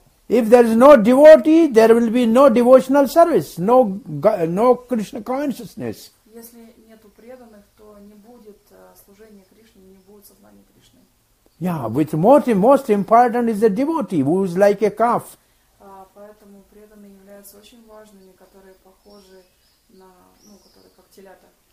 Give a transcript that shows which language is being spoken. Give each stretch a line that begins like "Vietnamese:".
English: If there is no devotee, there will be no devotional service, no Krishna consciousness.
Russian: Если нету преданных, то не будет служения Кришне, не будет сознания Кришны.
English: Yeah, which most important is the devotee, who is like a calf.
Russian: Поэтому преданные являются очень важными, которые похожи на, которые как телята.